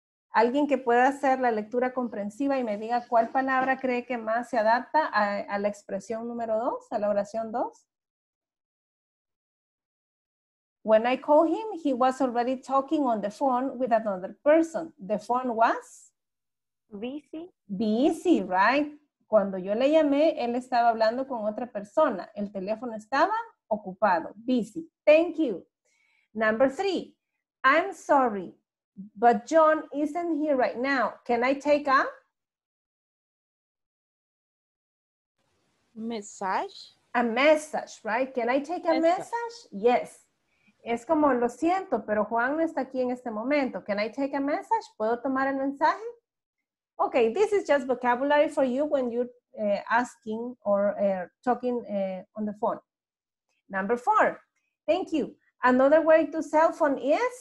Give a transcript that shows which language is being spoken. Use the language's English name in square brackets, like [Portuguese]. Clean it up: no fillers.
[Spanish] Alguien que pueda hacer la lectura comprensiva y me diga cuál palabra cree que más se adapta a la expresión número dos, a la oración dos. [English] When I called him, he was already talking on the phone with another person. The phone was? Busy, right? [Spanish] Cuando yo le llamé, él estaba hablando con otra persona. El teléfono estaba ocupado. [English] Busy. Thank you. Number 3. I'm sorry, but John isn't here right now. Can I take a message? A message, right? Can I take a message? Yes. [Spanish] Es como lo siento, pero Juan no está aquí en este momento. [English] Can I take a message? [Spanish] ¿Puedo tomar el mensaje? [English] Okay, this is just vocabulary for you when you're asking or talking on the phone. Number 4, thank you. Another way to cell phone is?